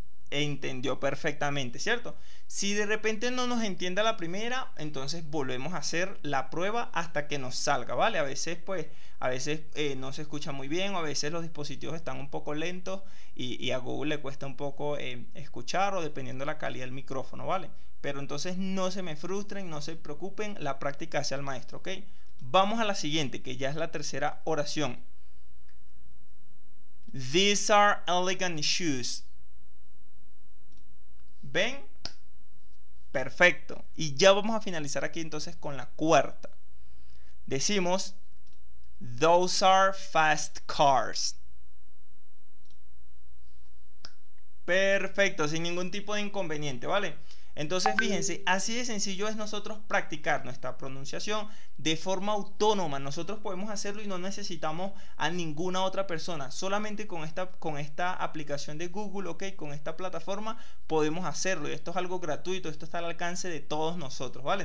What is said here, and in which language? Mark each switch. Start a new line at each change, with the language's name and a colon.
Spanish: Entendió perfectamente, ¿cierto? Si de repente no nos entienda la primera, entonces volvemos a hacer la prueba hasta que nos salga, ¿vale? A veces, pues, a veces no se escucha muy bien, o a veces los dispositivos están un poco lentos y a Google le cuesta un poco escuchar, o dependiendo de la calidad del micrófono, ¿vale? Pero entonces no se me frustren, no se preocupen, la práctica hace al maestro, ¿ok? Vamos a la siguiente, que ya es la tercera oración.
English: These are elegant shoes.
Spanish: ¿Ven? Perfecto. Y ya vamos a finalizar aquí entonces con la cuarta. Decimos,
English: those are fast cars.
Spanish: Perfecto, sin ningún tipo de inconveniente, ¿vale? Entonces fíjense, así de sencillo es nosotros practicar nuestra pronunciación de forma autónoma. Nosotros podemos hacerlo y no necesitamos a ninguna otra persona. Solamente con esta aplicación de Google, ¿ok? Con esta plataforma podemos hacerlo. Y esto es algo gratuito, esto está al alcance de todos nosotros, ¿vale?